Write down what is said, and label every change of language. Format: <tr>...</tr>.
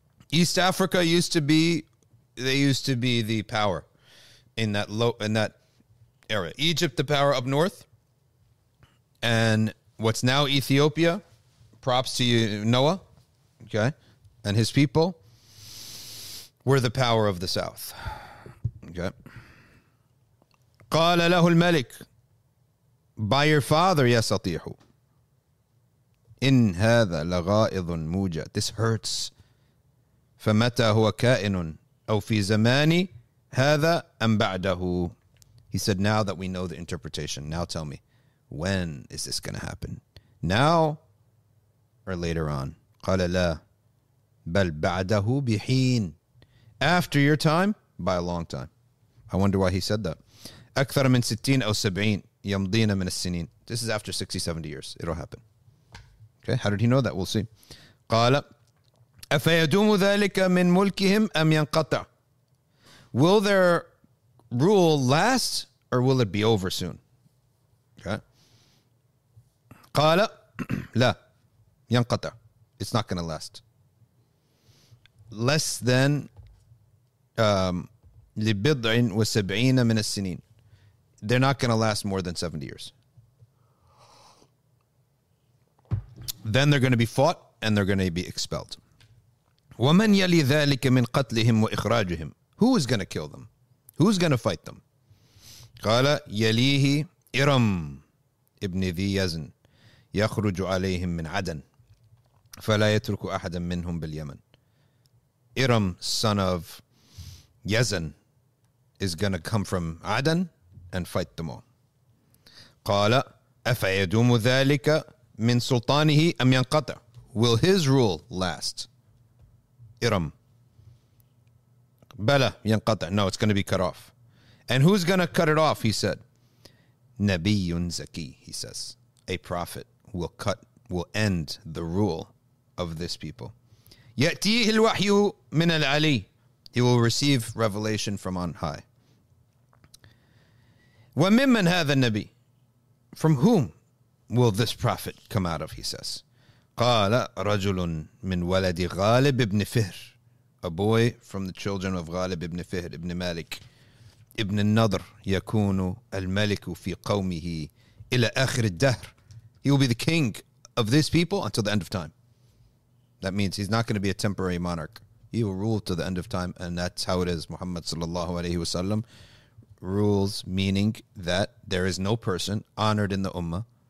<en>East Africa used to be the power in that era. Egypt, the power up north, and what's now Ethiopia. Props to you, Noah, okay, and his people were the power of the south. Okay.</en> <ar>قال له الملك,</ar> <en>by your father,</en> <ar>يا سطيح, إن هذا لغائظ موجع.</ar> <en>This hurts.</en> <ar>فمتى هو كائن أو في زماني هذا أم بعده.</ar> <en>He said, now that we know the interpretation, now tell me, when is this going to happen? Now, or later on.</en> <ar>قال لا بل بعده بحين.</ar> <en>After your time, by a long time. I wonder why he said that.</en> <ar>أكثر من 60 أو 70 يمضين من السنين.</ar> <en>This is after 60, 70 years. It'll happen. Okay, how did he know that? We'll see.</en> <ar>قال أفيدوم ذلك من ملكهم أم ينقطع.</ar> <en>Will their rule last or will it be over soon? Okay.</en> <ar>قال لا. ينقطع.</ar> <en>It's not going to last. Less than</en> <ar>لبضع وسبعين من السنين.</ar> <en>They're not going to last more than 70 years. Then they're going to be fought and they're going to be expelled.</en> <ar>ومن يلي ذلك من قتلهم وإخراجهم.</ar> <en>Who is going to kill them? Who's going to fight them?</en> <ar>قال يليه إرم ابن ذي يزن. يخرج عليهم من عدن فلا يترك أحدا منهم باليمن.</ar> <en>Iram, son of Yazan, is going to come from Aden and fight them all.</en> <ar>قال أفيدوم ذلك من سلطانه أم ينقطع.</ar> <en>Will his rule last? Iram.</en> <ar>بلى ينقطع.</ar> <en>No, it's going to be cut off. And who's going to cut it off, he said.</en> <ar>نبي زكي,</ar> <en>he says. A prophet will end the rule of this people.</en> <ar>يأتيه الوحي من العلي.</ar> <en>He will receive revelation from on high.</en> <ar>وممن هذا النبي.</ar> <en>From whom will this prophet come out of, he says.</en> <ar>قال رجل من ولد غالب ابن فهر.</ar> <en>A boy from the children of</en> <ar>غالب ابن فهر ابن مالك ابن النضر يكون الملك في قومه إلى آخر الدهر.</ar> <en>He will be the king of this people until the end of time. That means he's not going to be a temporary monarch. He will rule to the end of time, and that's how it is. Muhammad sallallahu alayhi wa sallam rules, meaning that there is no person honored in the ummah.</en>